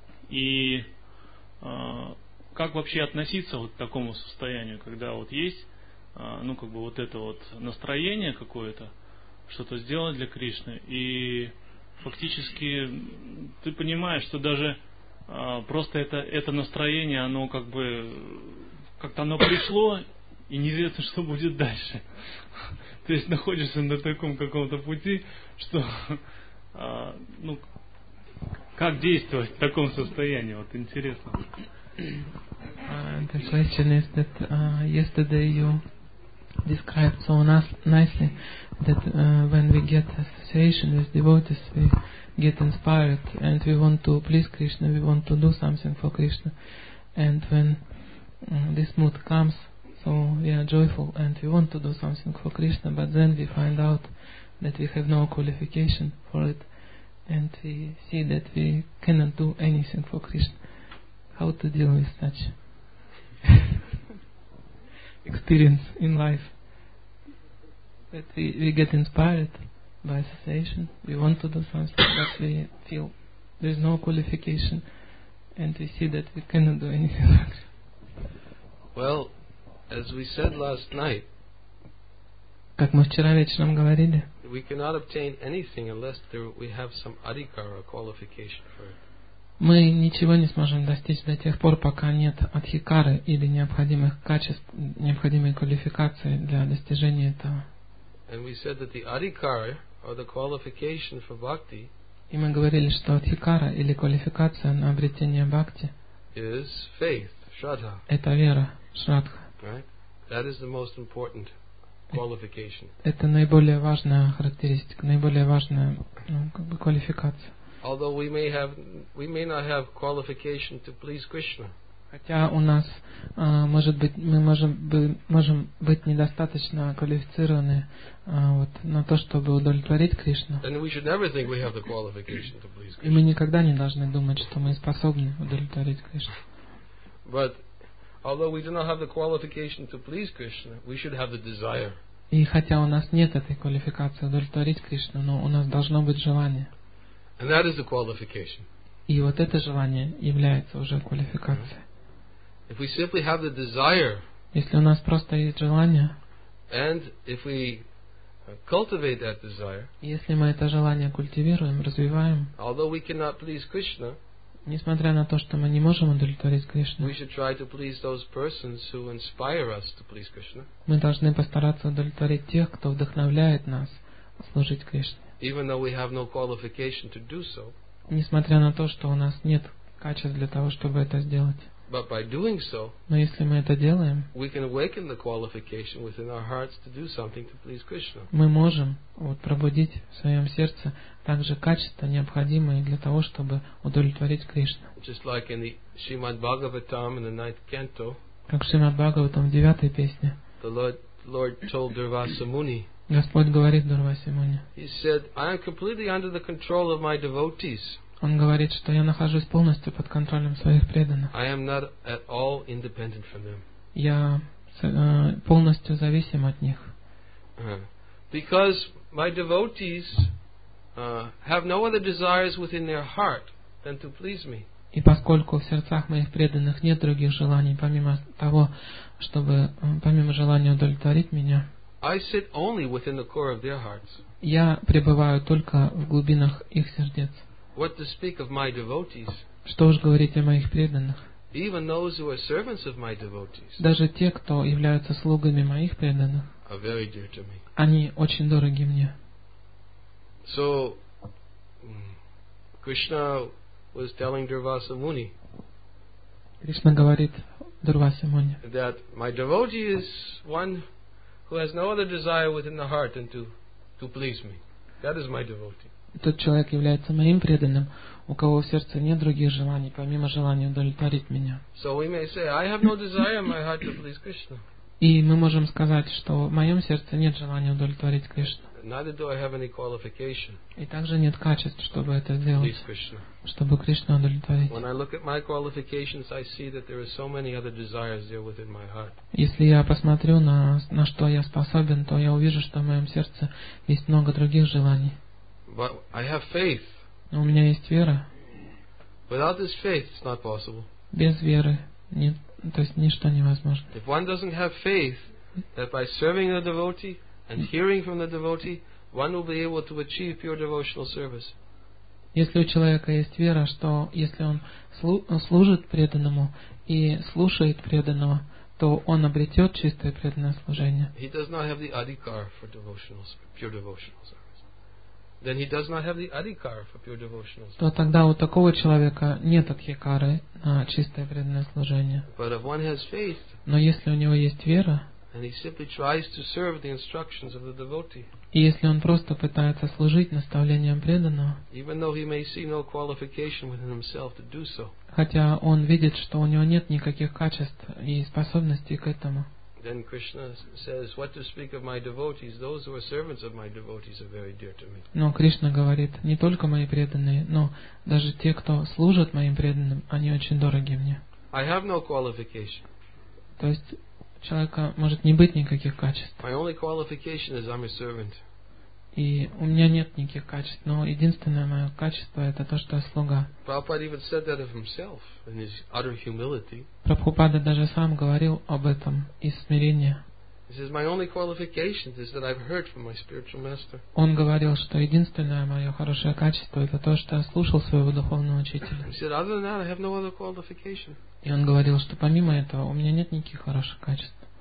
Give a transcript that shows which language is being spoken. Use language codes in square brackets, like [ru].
[ru] И как вообще относиться вот к такому состоянию, когда вот есть ну как бы вот это вот настроение какое-то что-то сделать для Кришны, и фактически ты понимаешь, что даже просто это настроение, оно как бы как-то оно пришло, и неизвестно, что будет дальше. То есть находишься на таком каком-то пути, что ну как действовать в таком состоянии, вот интересно. [en] The question is that yesterday you described so nicely that when we get association with devotees, we get inspired and we want to please Krishna, we want to do something for Krishna. And when this mood comes, so we are joyful and we want to do something for Krishna, but then we find out that we have no qualification for it and we see that we cannot do anything for Krishna. How to deal with such experience in life? That we get inspired by association, we want to do something, but we feel there is no qualification, and we see that we cannot do anything like that. Well, as we said last night, [ru] как мы вчера вечером говорили, [en] we cannot obtain anything unless we have some adhikara qualification for it. [ru] Мы ничего не сможем достичь до тех пор, пока нет адхикары или необходимых качеств, необходимой квалификации для достижения этого. [en] And we said that the adhikara or the qualification for bhakti, [ru] и мы говорили, что адхикара или квалификация на обретение бхакти, [en] is faith, shraddha. [ru] Это вера, шрадха. [en] Right? That is the most important qualification. [ru] Это наиболее важная характеристика, наиболее важная, ну, как бы квалификация. [en] Although we may not have qualification to please Krishna. [ru] Хотя у нас, может быть, мы можем быть недостаточно квалифицированы вот, на то, чтобы удовлетворить Кришну. И мы никогда не должны думать, что мы способны удовлетворить Кришну. [en] But although we do not have the qualification to please Krishna, we should have the desire. [ru] И хотя у нас нет этой квалификации удовлетворить Кришну, но у нас должно быть желание. [en] And that is the qualification. [ru] И вот это желание является уже квалификацией. [en] If we simply have the desire, [ru] если у нас просто есть желание, [en] and if we cultivate that desire, [ru] если мы это желание культивируем, развиваем, [en] although we cannot please Krishna, [ru] несмотря на то, что мы не можем удовлетворить Кришну, [en] we should try to please those persons who inspire us to please Krishna. [ru] Мы должны постараться удовлетворить тех, кто вдохновляет нас служить Кришне. [en] Even though we have no qualification to do so, [ru] несмотря на то, что у нас нет качеств для того, чтобы это сделать. [en] But by doing so, [ru] но если мы это делаем, [en] we can awaken the qualification within our hearts to do something to please Krishna. [ru] Мы можем вот пробудить в своем сердце также качества, необходимые для того, чтобы удовлетворить Кришну. [en] Just like in the Srimad Bhagavatam in the ninth canto, [ru] как в Шримад Бхагаватам в девятой песне, [en] the Lord told Durvasa Muni. [ru] Господь говорит Дурвасе Муни. [en] He said, "I am completely under the control of my devotees." [ru] Он говорит, что я нахожусь полностью под контролем своих преданных. [en] I am not at all independent from them. [ru] Я полностью зависим от них. [en] Because my devotees have no other desires within their heart than to please me. [ru] И поскольку в сердцах моих преданных нет других желаний, помимо того, чтобы помимо желания удовлетворить меня. [en] I sit only within the core of their hearts. [ru] Я пребываю только в глубинах их сердец. [en] What to speak of my devotees? [ru] Что уж говорить о моих преданных? [en] Even those who are servants of my devotees. [ru] Даже те, кто являются слугами моих преданных. [en] Are very dear to me. [ru] Они очень дороги мне. [en] So Krishna was telling Durvasa Muni. [ru] Кришна говорит Дурвасе Муни. [en] That my devotee is one who has no other desire within the heart than to please me. That is my devotee. [ru] Тот человек является моим преданным, у кого в сердце нет других желаний, помимо желания удовлетворить меня. [en] So we may say, I have no desire in my heart to please Krishna. [ru] И мы можем сказать, что в моем сердце нет желания удовлетворить Кришну. [en] Neither do I have any qualification. [ru] И также нет качеств, чтобы это сделать, [en] please Krishna. [ru] Чтобы Кришну удовлетворить. [en] When I look at my qualifications, I see that there are so many other desires there within my heart. [ru] Если я посмотрю на что я способен, то я увижу, что в моем сердце есть много других желаний. [en] But I have faith. [ru] Но у меня есть вера. [en] Without this faith, it's not possible. [ru] Без веры нет, то есть ничто невозможно. [en] If one doesn't have faith that by serving the devotee and hearing from the devotee, one will be able to achieve pure devotional service. [ru] Если у человека есть вера, что если он служит преданному и слушает преданного, то он обретет чистое преданное служение. [en] He does not have the adhikar for devotional, pure devotional service. Then he does not have the adhikar for pure devotional service. [ru] То тогда у такого человека нет адхикары на чистое преданное служение. [en] But if one has faith, [ru] но если у него есть вера, [en] and he simply tries to serve the instructions of the devotee, [ru] и если он просто пытается служить наставлениям преданного, [en] even though he may see no qualification within himself to do so, [ru] хотя он видит, что у него нет никаких качеств и способностей к этому. [en] Then Krishna says, "What to speak of my devotees? Those who are servants of my devotees are very dear to me." [ru] Но Кришна говорит, не только мои преданные, но даже те, кто служат моим преданным, они очень дороги мне. [en] I have no qualification. [ru] То есть у человека может не быть никаких качеств. [en] My only qualification is I'm a servant. [ru] И у меня нет никаких качеств, но единственное мое качество это то, что я слуга. [en] Prabhupada even said that of himself in his utter humility. [ru] Прабхупада даже сам говорил об этом из смирения. [en] He says, my only qualification is that I've heard from my spiritual master. [ru] Он говорил, что единственное мое хорошее качество это то, что я слушал своего духовного учителя. [en] He said, other than that, I have no other qualification. [ru] И он говорил, что помимо этого у меня нет никаких хороших качеств.